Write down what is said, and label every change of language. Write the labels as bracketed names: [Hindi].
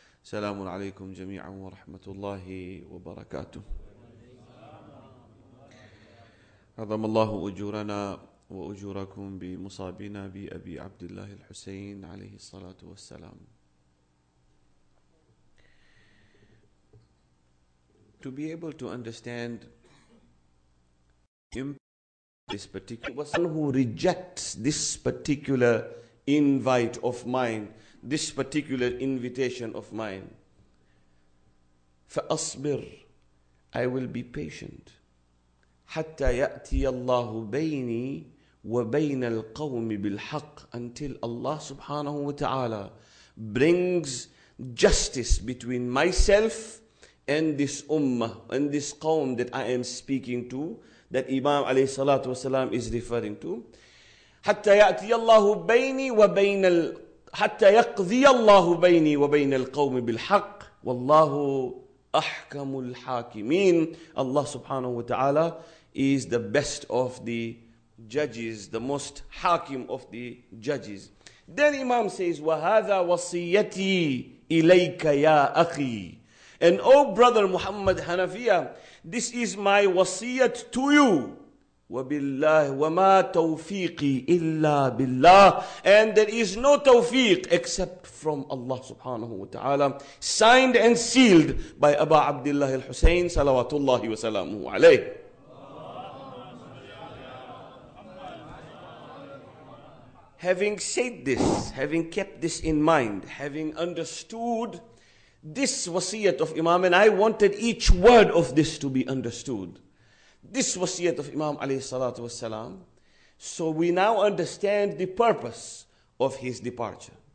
[Arabic] سلام عليكم جميعا ورحمة الله وبركاته. عظم الله أجورنا وأجوركم بمصابنا بأبي عبد الله الحسين عليه الصلاة والسلام. [English] To be able to understand this particular person who rejects this particular invite of mine, this particular invitation of mine. [Arabic] فَأَصْبِرْ, [English] I will be patient. [Arabic] حَتَّى يَأْتِيَ اللَّهُ بَيْنِي وَبَيْنَ الْقَوْمِ بِالْحَقِّ, [English] until Allah subhanahu wa ta'ala brings justice between myself and this ummah, and this qawm that I am speaking to, that Imam alayhi salatu wasalam is referring to. [Arabic] حَتَّى يَأْتِيَ اللَّهُ بَيْنِي وَبَيْنَ حَتَّى يَقْضِيَ اللَّهُ بَيْنِي وَبَيْنَ الْقَوْمِ بِالْحَقِّ وَاللَّهُ أَحْكَمُ الْحَاكِمِينَ. [English] Allah subhanahu wa ta'ala is the best of the judges, the most hakim of the judges. Then Imam says, [Arabic] وَهَذَا وَصِيَّتِي إِلَيْكَ يَا أَخِي. [English] And O brother Muhammad Hanafiya, this is my wasiyat to you. [Arabic] وبالله وما توفيقي إلا بالله. [English] And there is no tawfiq except from Allah subhanahu wa ta'ala. Signed and sealed by Aba Abdullah al-Hussein salawatullahi wa salamuhu alayhi. Having said this, having kept this in mind, having understood this wasiyat of Imam, and I wanted each word of this to be understood, this wasiyat of Imam alayhi salatu wasalam, so we now understand the purpose of his departure.